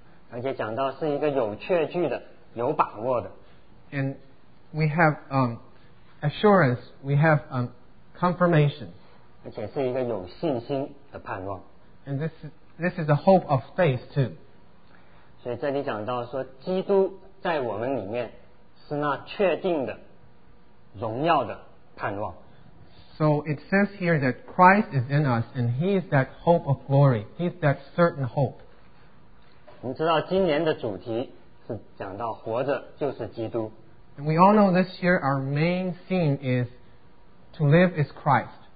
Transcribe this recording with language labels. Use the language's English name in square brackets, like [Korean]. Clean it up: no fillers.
[Chinese] 而且讲到是一个有确据的，有把握的。 [English] And we have assurance. We have confirmation. [Chinese] 而且是一个有信心的盼望。 [English] And this is a hope of faith too. [Chinese] 所以这里讲到说，基督在我们里面是那确定的，荣耀的。 [English] So it says here that Christ is in us and He is that hope of glory. He is that certain hope. [Chinese] 你知道今年的主题是讲到活着就是基督。 [English] And we all know this year our main theme is to live is Christ.